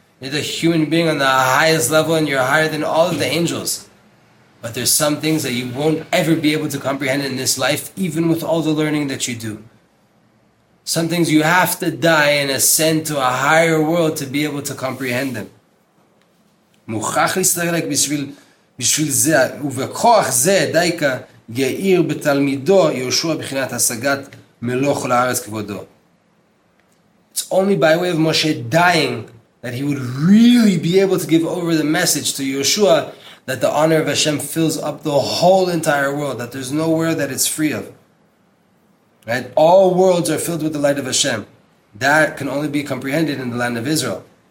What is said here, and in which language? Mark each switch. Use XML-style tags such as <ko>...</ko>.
<en>You're the human being on the highest level, and you're higher than all of the angels. But there's some things that you won't ever be able to comprehend in this life, even with all the learning that you do. Some things you have to die and ascend to a higher world to be able to comprehend them.</en> <he>מוכרח להסתלק בשביל זה, ובכוח זה, דייקה, יאיר בתלמידו, יהושע בחינת השגת מלוך לארץ כבודו.</he> <en>It's only by way of Moshe dying that he would really be able to give over the message to Yeshua that the honor of Hashem fills up the whole entire world, that there's nowhere that it's free of. Right? All worlds are filled with the light of Hashem. That can only be comprehended in the land of Israel.</en>